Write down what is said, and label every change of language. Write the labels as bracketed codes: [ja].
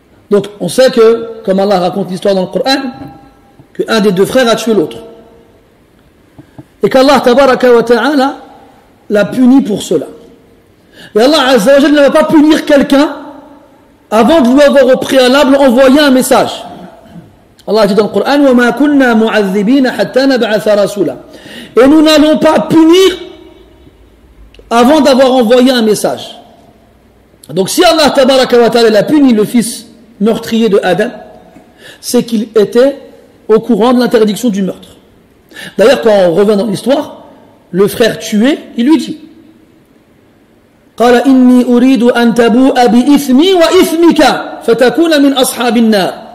[fr] Donc on sait que, comme Allah raconte l'histoire dans le Coran, qu'un des deux frères a tué l'autre. Et qu'Allah tabaraka wa ta'ala l'a puni pour cela. Et Allah azza wa jalla ne va pas punir quelqu'un avant de lui avoir au préalable envoyé un message. Allah dit dans le Coran: [ar] وَمَا كُنَّا مُعَذِّبِينَ حَتَّى نَبْعَثَ رَسُولًا. [fr] Et nous n'allons pas punir avant d'avoir envoyé un message. Donc si Allah tabaraka wa ta'ala a puni le fils meurtrier de Adam, c'est qu'il était au courant de l'interdiction du meurtre. D'ailleurs, quand on revient dans l'histoire, le frère tué, il lui dit: [ar] قَالَ إِنِّي أُرِيدُ أَن تَبُوءَ بِإِثْمِي وَإِثْمِكَ فَتَكُونَ مِنْ أَصْحَابِ النَّارِ.